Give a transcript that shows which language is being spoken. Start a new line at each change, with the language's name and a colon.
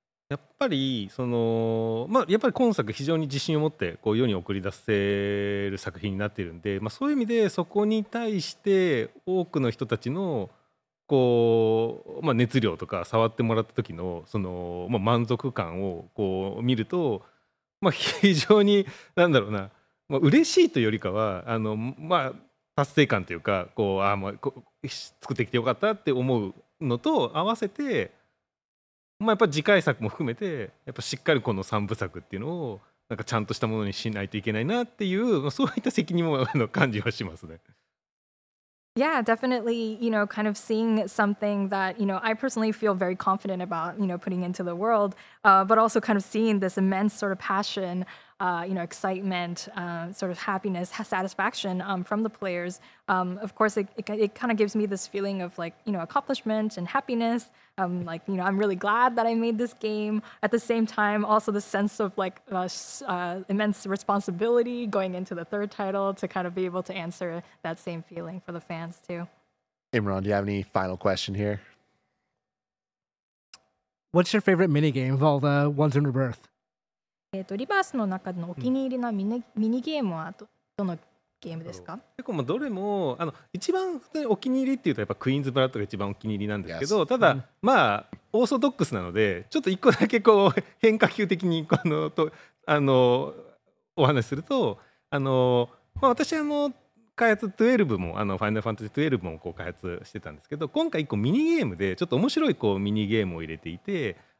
Japanese: やっぱりやっぱり今作非常に自信を持ってこう世に送り出せる作品になっているんで、まあ、そういう意味でそこに対して多くの人たちのこう、まあ、熱量とか触ってもらった時のその、まあ、満足感をこう見ると、まあ、非常に何だろうな、まあ、嬉しいというよりかはまあ、達成感というかこう、ああ、まあ、こう作ってきてよかったって思うのと合わせて、まあ、やっぱ次回作も含めてやっぱしっかりこの3部作っていうのをなんかちゃんとしたものにしないといけないなっていう、そういった責任も感じはしますね。
English: Yeah, definitely, you know, kind of seeing something that, you know, I personally feel very confident about, you know, putting into the world, but also kind of seeing this immense sort of passion, you know, excitement, sort of happiness, satisfaction from the players. Of course, it kind of gives me this feeling of like, you know, accomplishment and happiness. Like, you know, I'm really glad that I made this game. At the same time, also the sense of like immense responsibility going into the third title to kind of be able to answer that same feeling for the fans too. Imran, do you have any final question here? What's your favorite mini game of all the ones in Rebirth?
Japanese: リバースの中のお気に入りのミニゲームはどのゲームですか？結構どれも一番お気に入りっていうとやっぱクイーンズブラッドが一番お気に入りなんですけど、yes. ただ、うん、まあオーソドックスなのでちょっと一個だけこう変化球的にお話しすると、まあ、私開発12もファイナルファンタジー12もこう開発してたんですけど、今回一個ミニゲームでちょっと面白いこうミニゲームを入れていて、